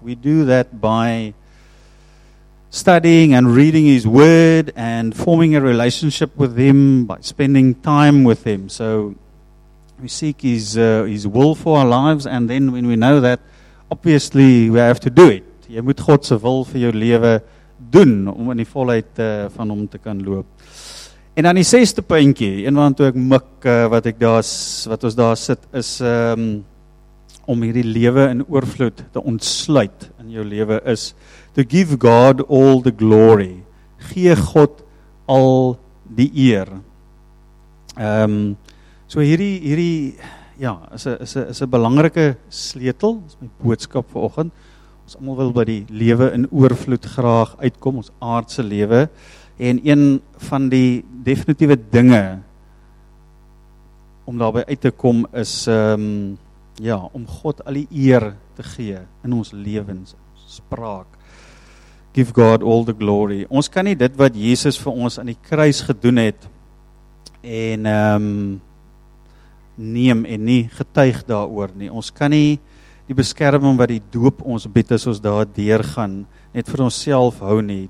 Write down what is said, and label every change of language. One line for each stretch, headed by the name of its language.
English: We do that by studying and reading His word and forming a relationship with Him, by spending time with Him. So we seek His will for our lives, and then when we know that, obviously we have to do it.
Afrikaans: Jy moet God se wil vir jou lewe doen om in die volheid van Hom te kan loop. En dan die 6de puntjie, een van toe ek mik wat ons daar sit, is om hierdie lewe in oorvloed te ontsluit in jou lewe, is to give God all the glory. Gee God al die eer. So hierdie ja, is 'n belangrike sleutel, is my boodskap vanoggend. Ons almal wil by die lewe in oorvloed graag uitkom, ons aardse lewe. En een van die definitiewe dinge om daarby uit te kom is om God al die eer te gee in ons lewens, spraak.
English: Give God all the glory.
Afrikaans: Ons kan nie dit wat Jesus vir ons aan die kruis gedoen het en neem en nie getuig daaroor nie. Ons kan nie die beskerming wat die doop ons bied as ons daar deurgaan net vir onsself hou nie.